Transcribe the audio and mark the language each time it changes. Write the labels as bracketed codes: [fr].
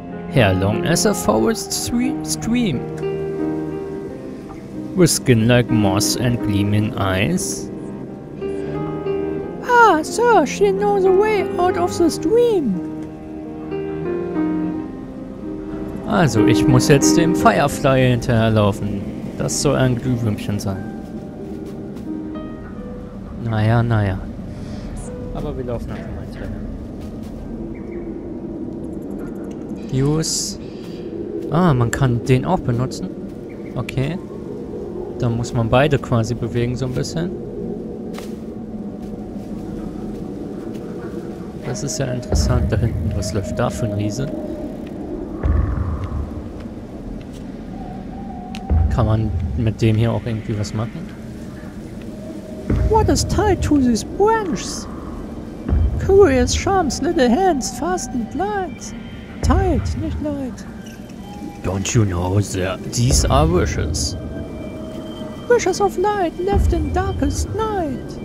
[en] Hair long as a forest stream. With skin like moss and gleaming eyes. Ah, sir, she knows the way out of the stream. [de] Also, ich muss jetzt dem Firefly hinterherlaufen. Das soll ein Glühwürmchen sein. Naja, naja. Aber wir laufen einfach mal hinterher. Use. Ah, man kann den auch benutzen. Okay. Dann muss man beide quasi bewegen, so ein bisschen. Das ist ja interessant da hinten. Was läuft da für ein Riese? Kann man mit dem hier auch irgendwie was machen? [en] What is tied to these branches? Curious charms, little hands, fastened light. [de] Tied, nicht light. [en] Don't you know that these are wishes? Wishes of light left in darkest night.